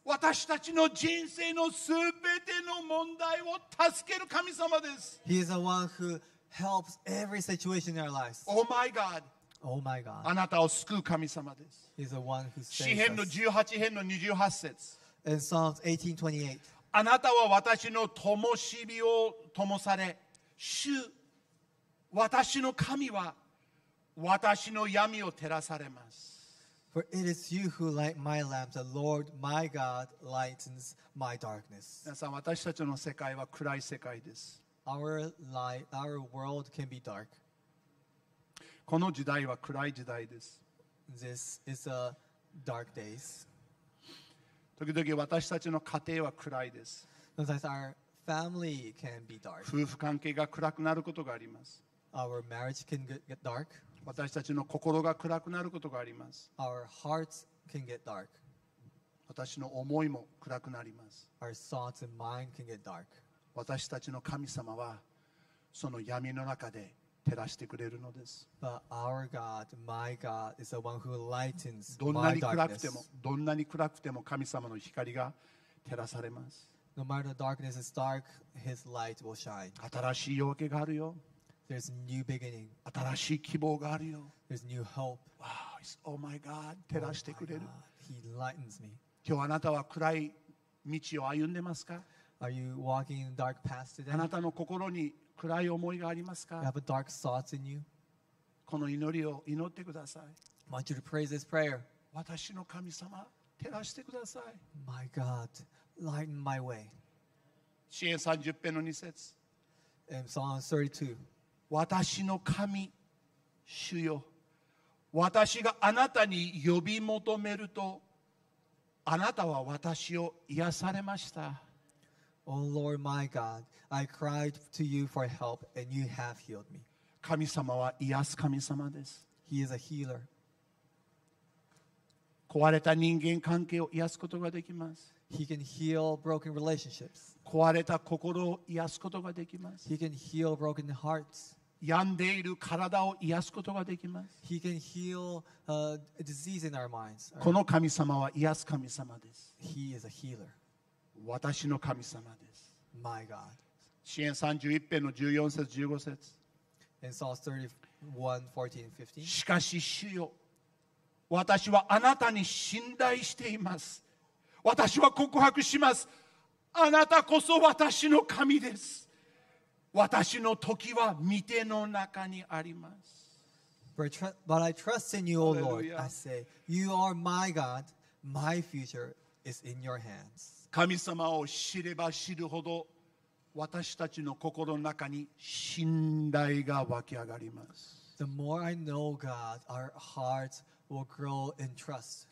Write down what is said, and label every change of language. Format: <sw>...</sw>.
<ja>私たちの人生のすべての問題を助ける神様です。</ja> <en>He is the one who helps every situation in our lives. Oh my God. Oh my God.</en> <ja>あなたを救う神様です。</ja> <en>He is the one who saves us.</en> <ja>詩篇の18編の28節。</ja> <en>In Psalms 18:28.</en> <ja>あなたは私の灯火を灯され、主私の神は私の闇を照らされます。</ja> <en>For it is you who light my lamp, the Lord my God lightens my darkness.</en> <ja>皆さん、私たちの世界は暗い世界です。</ja> <en>Our world can be dark.</en> <ja>この時代は暗い時代です。</ja> <en>This is a dark days.</en> <ja>時々私たちの家庭は暗いです。</ja> <en>Sometimes our family can be dark.</en> <ja>夫婦関係が暗くなることがあります。</ja> <en>Our marriage can get dark.</en> <ja>私たちの心が暗くなることがあります。</ja> <en>Our hearts can get dark.</en> <ja>私の思いも暗くなります。</ja> <en>Our thoughts and mind can get dark.</en> <ja>私たちの神様はその闇の中で照らしてくれるのです。</ja> <en>But our God, my God, is the one who lightens my darkness.</en> <ja>どんなに暗くても神様の光が照らされます。</ja> <en>No matter the darkness is dark, His light will shine.</en> <ja>新しい夜明けがあるよ。</ja> <en>There's a new beginning.</en> <ja>新しい希望があるよ。</ja> <en>There's new hope. Wow, it's, oh my God,</en> <ja>照らしてくれる。</ja> <en>He lightens me.</en> <ja>今日あなたは暗い道を歩んでますか?</ja> <en>Are you walking in a dark path today?</en> <ja>あなたの心に暗い思いがありますか?</ja> <en>You have a dark thoughts in you?</en> <ja>この祈りを祈ってください。</ja> <en>I want you to pray this prayer.</en> <ja>私の神様、照らしてください。</ja> <en>My God, lighten my way.</en> <ja>詩篇30編の2節。</ja> <en>And Psalm 32.</en> <ja>私の神、主よ、私があなたに呼び求めるとあなたは私を癒されました。</ja> <en>O Lord my God, I cried to you for help and you have healed me.</en> <ja>神様は癒す神様です。</ja> <en>He is a healer.</en> <ja>壊れた人間関係を癒すことができます。</ja> <en>He can heal broken relationships.</en> <ja>壊れた心を癒すことができます。</ja> <en>He can heal broken hearts.</en> <ja>病んでいる体を癒すことができます。</ja> <en>He can heal a disease in our minds.</en> <ja>この神様は癒す神様です。</ja> <en>He is a healer.</en> <ja>私の神様です。</ja> <en>My God.</en> <ja>詩篇31編の14節15節。</ja> <en>In Psalms 31, 14 and 15.</en> <ja>しかし主よ、私はあなたに信頼しています。私は告白します。あなたこそ私の神です。私の時は御手の中にあります。</ja> <en>But I trust in you, O Lord. I say, You are my God. My future is in your hands.</en> <ja>神様を知れば知るほど私たちの心の中に信頼が湧き上がります。</ja> <en>The more I know God, our hearts will grow in trust.</en>